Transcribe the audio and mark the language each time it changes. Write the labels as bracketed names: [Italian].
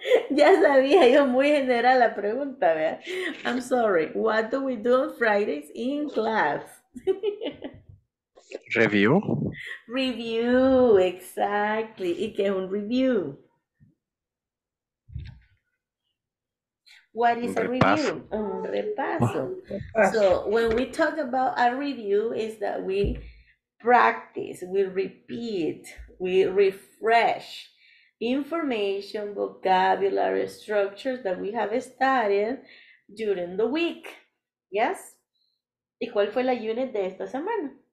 [Spanish] Ya sabía yo, muy general la pregunta, ¿verdad? [English] I'm sorry. What do we do on Fridays in class? Review. Review, exactly. [Spanish] ¿Y qué es un review? [English] What is a review? [Spanish] Un repaso. [English] So when we talk about a review is that we practice, we repeat, we refresh information, vocabulary, structures that we have studied during the week. Yes? [Spanish] ¿Y cuál fue la unit de esta semana?